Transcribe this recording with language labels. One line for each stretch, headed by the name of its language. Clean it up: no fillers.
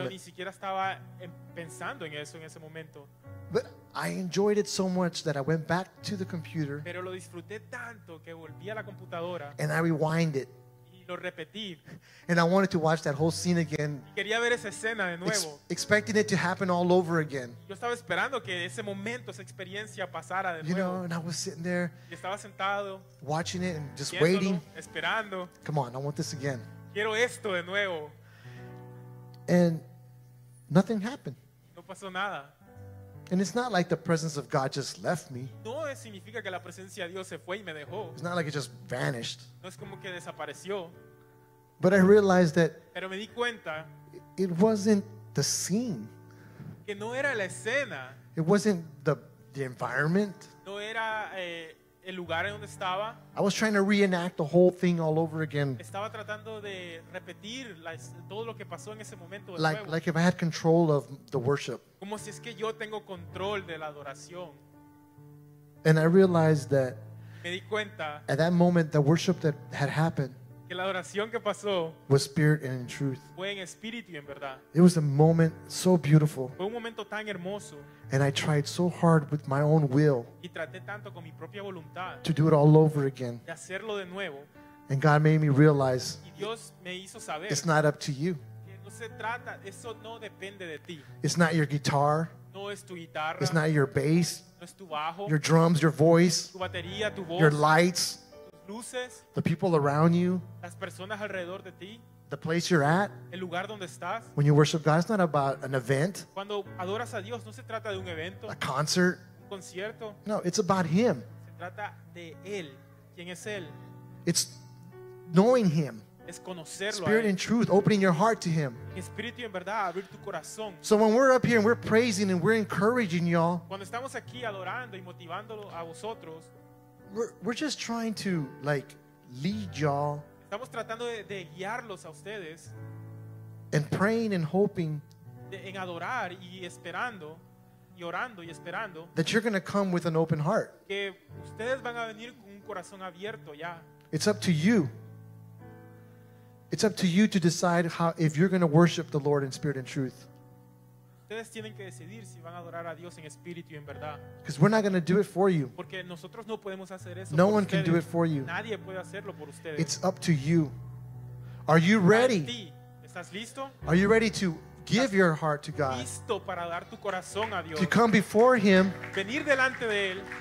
Spanish: Pero ni siquiera estaba pensando en eso en ese momento.
English: But I enjoyed it so much that I went back to the computer.
Spanish: Pero lo disfruté tanto que volví a la computadora.
English: And I rewinded it.
Spanish: Y lo repetí.
English: And I wanted to watch that whole scene again.
Spanish: Y quería ver esa escena de nuevo.
English: Expecting it to happen all over again.
Spanish: Yo estaba esperando que ese momento, esa experiencia pasara de nuevo.
English: You know, and I was sitting there.
Spanish: Y estaba sentado.
English: Watching it and just waiting.
Spanish: Esperando.
English: Come on, I want this again.
Spanish: Quiero esto de nuevo.
English: And nothing happened.
Spanish: No pasó nada.
English: And it's not like the presence of God just left me.
Spanish: No significa que la presencia de Dios se fue y me dejó.
English: It's not like it just vanished.
Spanish: No es como que desapareció.
English: But I realized that,
Spanish: pero me di cuenta,
English: it wasn't the scene.
Spanish: Que no era la escena.
English: It wasn't the environment.
Spanish: No era el lugar en donde estaba.
English: I was trying to reenact the whole thing all over again.
Spanish: Estaba tratando de repetir todo lo que pasó en ese momento de
English: like, Like if I had control of the worship.
Spanish: Como si es que yo tengo control de la adoración.
English: And I realized that,
Spanish: me di cuenta,
English: at that moment the worship that had happened,
Spanish: que la adoración que pasó,
English: was spirit and in truth.
Spanish: Fue en espíritu y en verdad.
English: It was a moment so beautiful.
Spanish: Fue un momento tan hermoso.
English: And I tried so hard with my own will,
Spanish: y traté tanto con mi propia voluntad,
English: to do it all over again.
Spanish: De hacerlo de nuevo.
English: And God made me realize,
Spanish: y Dios me hizo saber,
English: it's not up to you.
Spanish: Que no se trata, eso no depende de ti.
English: It's not your guitar.
Spanish: No es tu guitarra.
English: It's not your bass.
Spanish: No es tu bajo.
English: Your drums, your voice.
Spanish: Tu batería, tu voz.
English: Your lights.
Spanish: Luces,
English: the people around you,
Spanish: las personas alrededor de ti,
English: the place you're at,
Spanish: el lugar donde estás.
English: When you worship God, it's not about an event,
Spanish: cuando adoras a Dios, no se trata de un evento,
English: a concert,
Spanish: un concierto.
English: No, it's about Him.
Spanish: Se trata de Él. ¿Quién es Él?
English: It's knowing Him,
Spanish: es conocerlo,
English: spirit
Spanish: a Él.
English: And truth, opening your heart to Him.
Spanish: Espíritu en verdad, abrir tu corazón.
English: So when we're up here and we're praising and we're encouraging y'all,
Spanish: cuando estamos aquí adorando y motivándolo a vosotros,
English: We're just trying to like lead y'all.
Spanish: Estamos tratando de guiarlos a ustedes.
English: And praying and hoping.
Spanish: En adorar y esperando, y orando y esperando.
English: That you're going to come with an open heart.
Spanish: Que ustedes van a venir con un corazón abierto ya.
English: It's up to you. It's up to you to decide how if you're going to worship the Lord in spirit and truth.
Spanish: Ustedes tienen que decidir si van a adorar a Dios en espíritu y en verdad.
English: Because we're not going to do it for you.
Spanish: Porque nosotros no podemos hacer eso.
English: No
Spanish: por
English: one
Spanish: ustedes.
English: Can do it for you.
Spanish: Nadie puede hacerlo por ustedes.
English: It's up to you. Are you ready?
Spanish: ¿Estás listo?
English: Are you ready to give your heart to God?
Spanish: ¿Listo para dar tu corazón a Dios?
English: To come before Him.
Spanish: Venir delante de Él.